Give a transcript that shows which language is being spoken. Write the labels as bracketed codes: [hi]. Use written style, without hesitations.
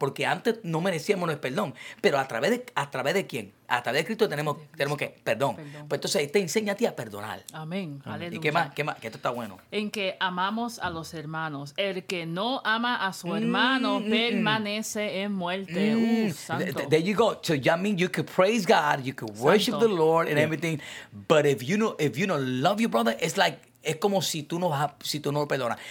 [es] Porque antes no merecíamos el perdón. Pero ¿a través de quién? A través de Cristo tenemos que perdón. Pues entonces te enseña a ti a perdonar. Amén. Aleluya. ¿Y qué más? Que esto está bueno. En que amamos a los hermanos. El que no ama a su hermano permanece en muerte. Santo. [en] There you go. So that means you could praise God, you could worship the Lord and everything. But if you don't love your brother, it's like... [es] Es como si tú no vas a, si tú no lo perdonas.